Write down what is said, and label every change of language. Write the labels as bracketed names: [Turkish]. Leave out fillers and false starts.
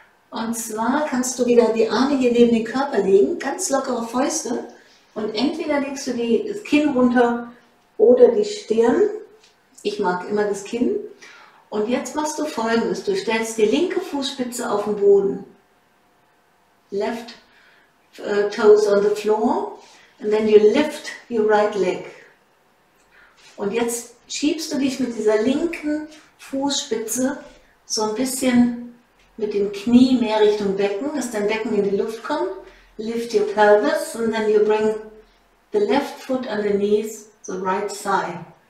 [German] Und zwar kannst du wieder die Arme hier neben den Körper legen, ganz lockere Fäuste und entweder legst du das Kinn runter oder die Stirn. Ich mag immer das Kinn. Und jetzt machst du Folgendes. Du stellst die linke Fußspitze auf den Boden. [English] Left toes on the floor and then you lift your right leg. [German] Und jetzt schiebst du dich mit dieser linken Fußspitze so ein bisschen mit dem Knie mehr Richtung Becken, dass dein Becken in die Luft kommt. [English] Lift your pelvis and then you bring the left foot underneath the right thigh.